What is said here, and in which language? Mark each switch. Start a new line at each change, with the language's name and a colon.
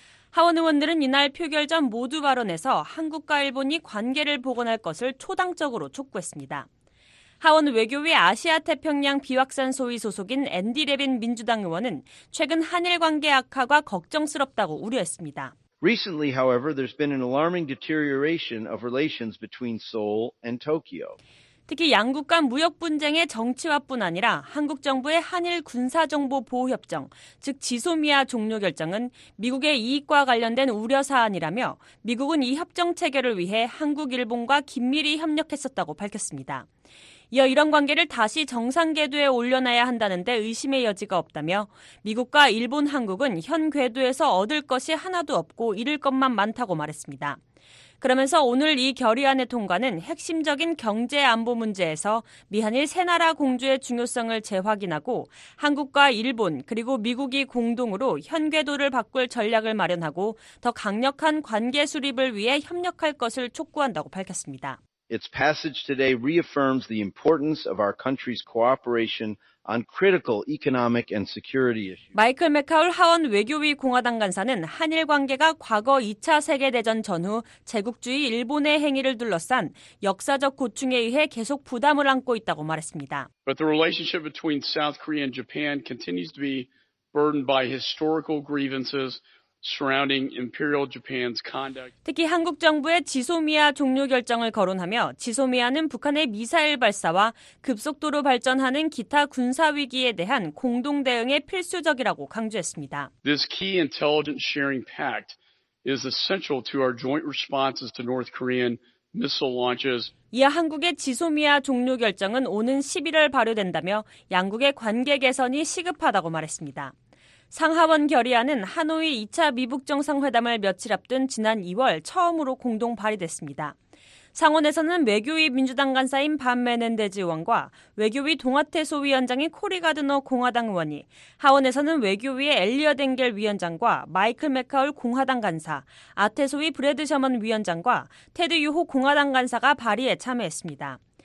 Korean: 하원 의원들은 이날 표결 전 모두 발언에서 한국과 일본이 관계를 복원할 것을 초당적으로 촉구했습니다. 하원 외교위 아시아태평양 비확산 소위 소속인 앤디 레빈 민주당 의원은 최근 한일 관계 악화가 걱정스럽다고 우려했습니다.
English: Recently, however, there's been an alarming deterioration of relations between Seoul and Tokyo.
Korean: 특히 양국 간 무역 분쟁의 정치화뿐 아니라 한국 정부의 한일 군사정보보호협정, 즉 지소미아 종료 결정은 미국의 이익과 관련된 우려사안이라며 미국은 이 협정 체결을 위해 한국, 일본과 긴밀히 협력했었다고 밝혔습니다. 이어 이런 관계를 다시 정상 궤도에 올려놔야 한다는데 의심의 여지가 없다며 미국과 일본, 한국은 현 궤도에서 얻을 것이 하나도 없고 잃을 것만 많다고 말했습니다. 그러면서 오늘 이 결의안의 통과는 핵심적인 경제 안보 문제에서 미한일 세 나라 공조의 중요성을 재확인하고 한국과 일본 그리고 미국이 공동으로 현 궤도를 바꿀 전략을 마련하고 더 강력한 관계 수립을 위해 협력할 것을 촉구한다고 밝혔습니다.
English: Its passage today reaffirms the importance of our country's cooperation on critical economic and security issues.
Korean: 마이클 맥하울 하원 외교위 공화당 간사는 한일 관계가 과거 2차 세계대전 전후 제국주의 일본의 행위를 둘러싼 역사적 고충에 의해 계속 부담을 안고 있다고 말했습니다.
English: But the relationship between South Korea and Japan continues to be burdened by historical grievances.
Korean: 특히 한국 정부의 지소미아 종료 결정을 거론하며 지소미아는 북한의 미사일 발사와 급속도로 발전하는 기타 군사 위기에 대한 공동 대응에 필수적이라고 강조했습니다.
English: This key intelligence sharing pact is essential to our joint responses to North Korean missile launches.
Korean: 이어 한국의 지소미아 종료 결정은 오는 11월 발효된다며 양국의 관계 개선이 시급하다고 말했습니다. 상하원 결의안은 하노이 2차 미북정상회담을 며칠 앞둔 지난 2월 처음으로 공동 발의됐습니다. 상원에서는 외교위 민주당 간사인 밤 메넨데즈 의원과 외교위 동아태 소위원장인 코리 가드너 공화당 의원이, 하원에서는 외교위의 엘리엇 앵겔 위원장과 마이클 맥하울 공화당 간사, 아태 소위 브래드 셔먼 위원장과 테드 유호 공화당 간사가 발의에 참여했습니다.